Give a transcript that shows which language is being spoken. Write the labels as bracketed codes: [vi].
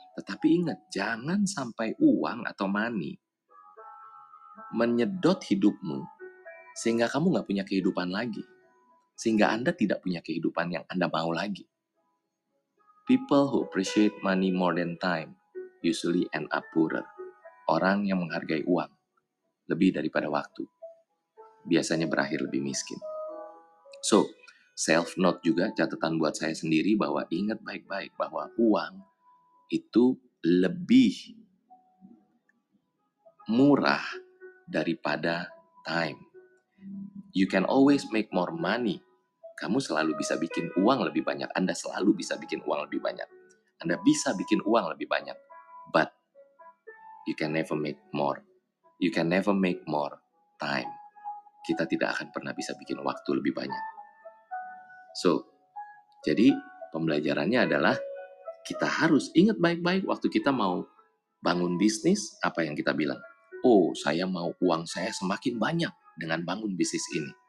[id] Tetapi ingat, jangan sampai uang atau money menyedot hidupmu sehingga kamu nggak punya kehidupan lagi. Sehingga Anda tidak punya kehidupan yang Anda mau lagi. [en] People who appreciate money more than time usually end up poorer. [id] Orang yang menghargai uang lebih daripada waktu biasanya berakhir lebih miskin. So, self note juga, catatan buat saya sendiri, bahwa ingat baik-baik bahwa uang itu lebih murah daripada time. [en] You can always make more money. [id] Kamu selalu bisa bikin uang lebih banyak. Anda selalu bisa bikin uang lebih banyak. Anda bisa bikin uang lebih banyak. [en] But you can never make more. You can never make more time. [id] Kita tidak akan pernah bisa bikin waktu lebih banyak. So, jadi pembelajarannya adalah kita harus ingat baik-baik waktu kita mau bangun bisnis, apa yang kita bilang. Oh, saya mau uang saya semakin banyak dengan bangun bisnis ini.